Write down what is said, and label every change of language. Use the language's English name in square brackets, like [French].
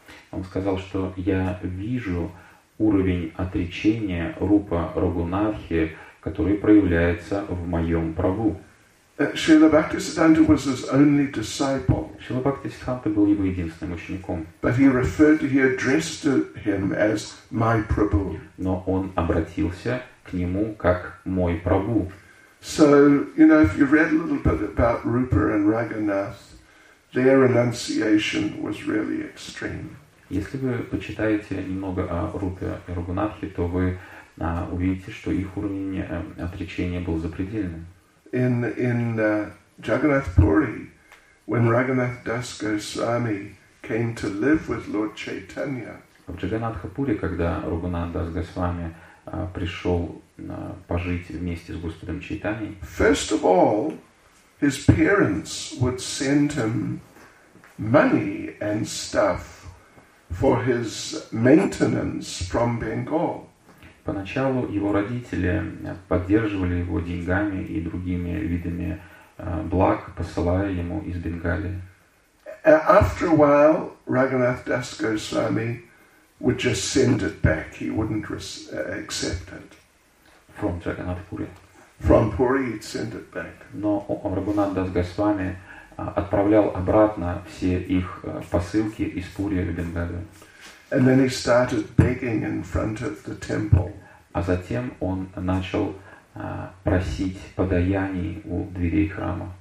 [Russian] Он сказал, что я вижу уровень отречения Рупа Рагунатхи, который проявляется в моем Прабху. [English] Śrīla Bhaktisiddhānta was his only disciple. [Russian] Śrīla Bhaktisiddhānta был его единственным учеником. [English] But he referred to, he addressed to him as my Prabhu. [Russian] Но он обратился к нему как мой Прабху. [English] So, you know, if you read a little bit about Rupa and Raghunath, their renunciation was really extreme. [Russian] Если вы почитаете немного о Рупе и Рагунатхе, то вы увидите, что их уровень отречения был запредельным. [English] In Jagannath Puri, when Raghunath Das Goswami came to live with Lord Chaitanya. [Russian] В Джаганатхапуре, когда Рагунатх Дас Госвами пришел пожить вместе с Господом Чайтаньей. [English] First of all, his parents would send him money and stuff for his maintenance from Bengal. [Russian] Поначалу его родители поддерживали его деньгами и другими видами благ, посылая ему из Бенгалии. [English] After a while, Raghunath Das Goswami would just send it back. He wouldn't accept it. From Jagannath Puri. From Puri, he'd send it back. [Russian] Но Рагунатх Дас Госвами отправлял обратно все их посылки из Пури в Бенгалию. [English] And then he started begging in front of the temple. [Russian] А затем он начал просить подаяний у дверей храма.